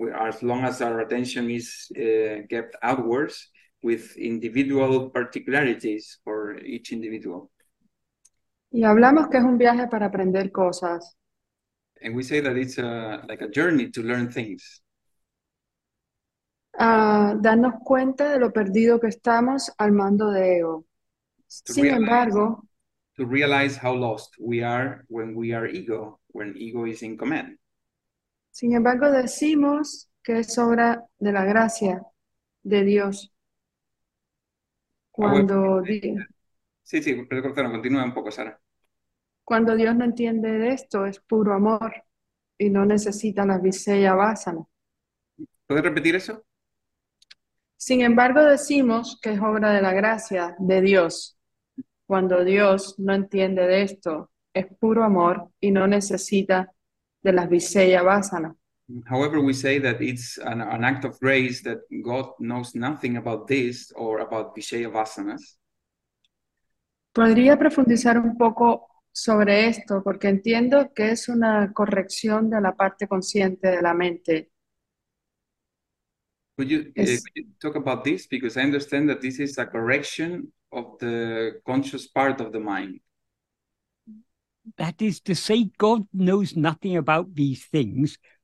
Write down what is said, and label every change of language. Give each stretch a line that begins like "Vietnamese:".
English: As long as our attention is kept outwards, with individual particularities for each individual.
Spanish: Y hablamos que es un viaje para aprender cosas.
English: And we say that it's like a journey to learn things.
Spanish: Darnos cuenta de lo perdido que estamos al mando de ego.
English: To realize how lost we are when we are ego, when ego is in command.
Spanish: Sin embargo, decimos que es obra de la gracia de Dios. Cuando Dios... Sí, perdón, continúa un poco, Sara. Cuando Dios no entiende de esto, es puro amor y no necesita las viseya vasana. ¿Puedes repetir eso? Sin embargo, decimos que es obra de la gracia de Dios. Cuando Dios no entiende de esto, es puro amor y no necesita de las viseya vasana.
English: However, we say that it's an act of grace that God knows nothing about this or about viseya vasanas.
Spanish: ¿Podría profundizar un poco sobre esto? Porque entiendo que es una corrección de la parte consciente de la mente.
English: Could you talk about this? Because I understand that this is a correction of the conscious part of the mind. That is to say, God knows nothing about these things.